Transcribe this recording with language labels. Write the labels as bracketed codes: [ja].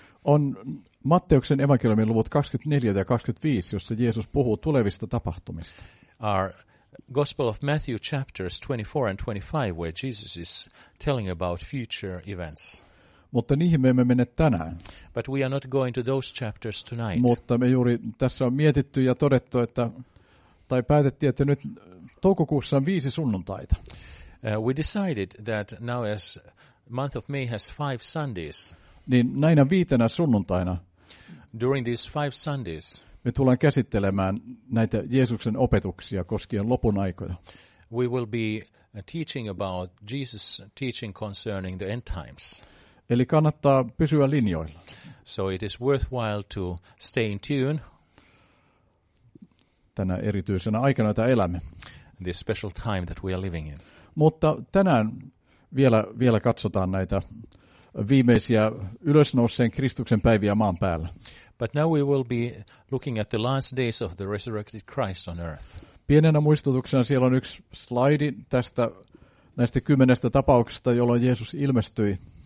[fi] On Matteuksen evankeliumin luvut 24 ja 25, jossa Jeesus puhuu tulevista tapahtumista. [en] Our Gospel of Matthew chapters 24 and 25 where Jesus is telling about future events. [fi] Mutta niihin me emme mene tänään. [en] But we are not going to those chapters tonight. [fi] Mutta me juuri tässä on mietitty ja todettu, että tai päätettiin, että nyt toukokuussa on 5 sunnuntaita. [en] We decided that now as month of May has 5 Sundays. [fi] Niin näinä 5 sunnuntaina. [en] During these 5 Sundays. [fi] Me tullaan käsittelemään näitä Jeesuksen opetuksia koskien lopun aikoja. [en] We will be teaching about Jesus teaching concerning the end times. [fi] Eli kannattaa pysyä linjoilla. [en] So it is worthwhile to stay in tune. [fi] Tänä erityisenä aikana, jota elämme. [en] This special time that we are living in. [fi] Mutta tänään vielä katsotaan näitä viimeisiä ylösnousseen Kristuksen päiviä maan päällä. [en] But now we will be looking at the last days of the resurrected Christ on earth. [fi] Pienenä muistutuksena siellä on yksi slaidi tästä näistä 10 tapauksesta, jolloin Jeesus ilmestyi.